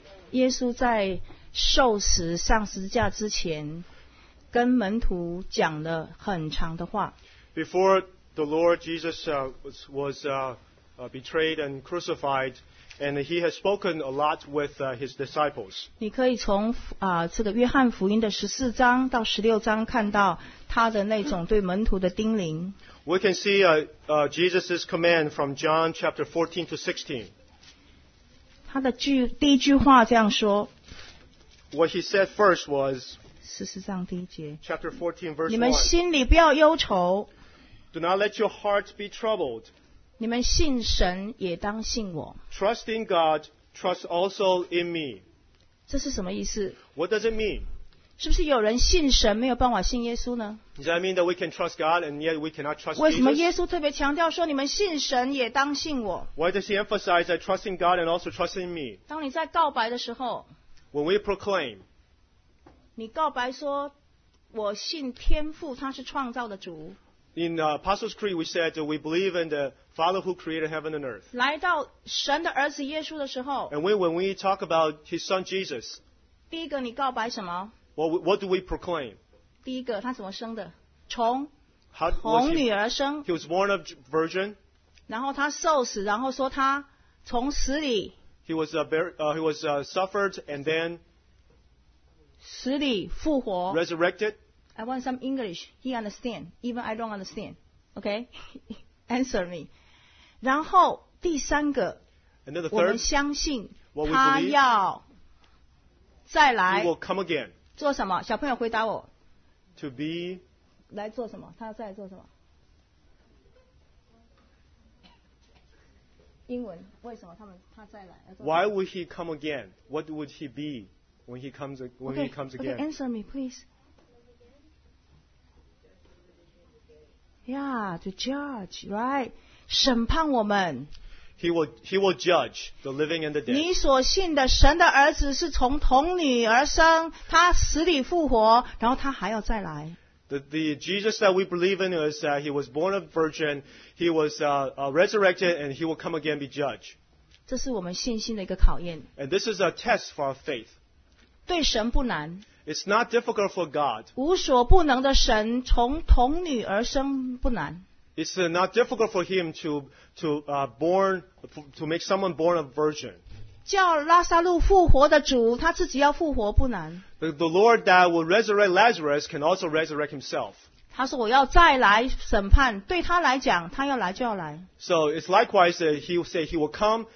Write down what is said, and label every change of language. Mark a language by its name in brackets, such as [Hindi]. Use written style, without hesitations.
[Chinese] 耶稣在受死上十字架之前跟门徒讲了很长的话。 [English] Before the Lord Jesus was betrayed and crucified, and he has spoken a lot with his disciples. [Chinese] 你可以从这个约翰福音的14章到16章看到他的那种对门徒的叮咛。 [English] We can see Jesus' command from John chapter 14 to 16. [Chinese] 他的第一句话这样说。 [English] What he said first was, [Chinese] 14章第一节。 [English] Chapter 14, verse 1. [Chinese] 你们心里不要忧愁。 [English] Do not let your heart be troubled. [Chinese] 你们信神也当信我。 [English] Trust in God, trust also in me. [Chinese] 这是什么意思？ [English] What does it mean? [Chinese] 是不是有人信神没有办法信耶稣呢？ [English] Does that mean that we can trust God and yet we cannot trust Jesus? [Chinese] 为什么耶稣特别强调说你们信神也当信我？ [English] Why does he emphasize that trusting God and also trusting me? [Chinese] 当你在告白的时候， [English] When we proclaim, [Chinese] 你告白说我信天父他是创造的主。 [English] In Apostles' Creed, we said that we believe in the Father who created heaven and earth. [Chinese] 来到神的儿子耶稣的时候， [English] And when we talk about his son Jesus, [Chinese] 第一个你告白什么？ [English] What do we proclaim? [Chinese] 第一个他怎么生的？从女儿生。 [English] He was born of virgin. [Chinese] 然后他受死，然后说他从死里。 [English] He was suffered and then [Chinese] 死里复活。 [English] Resurrected. I want some English. He understand. Even I don't understand. Okay? Answer me. [Chinese] 然后第三个， [English] and then the third, [Chinese] 我们相信他要再来。 [English] He will come again. [Chinese] 做什么？小朋友回答我。 [English] To be [Chinese] 来做什么？他要再来做什么？英文为什么他再来做什么 [English] ？Why would he come again? What would he be when he comes when okay, he comes again? Okay, answer me, please. Yeah, to judge, right? [Chinese] 审判我们。 [English] He will judge the living and the dead. [Chinese] 你所信的神的儿子是从童女而生，他死里复活，然后他还要再来。 [English] The Jesus that we believe in is that he was born of virgin, he was resurrected, and he will come again be judged. [Chinese] 这是我们信心的一个考验。 [English] And this is a test for our faith. [Chinese] 对神不难。 [English] It's not difficult for God. [Chinese] 无所不能的神从童女而生不难。 [English] It's not difficult for him to make someone born of virgin. [Chinese] 叫拉撒路复活的主，他自己要复活不难。 [English] The Lord that will resurrect Lazarus can also resurrect himself. [Chinese] 他说我要再来审判，对他来讲，他要来就要来。 [English] So it's likewise that he will say he will come.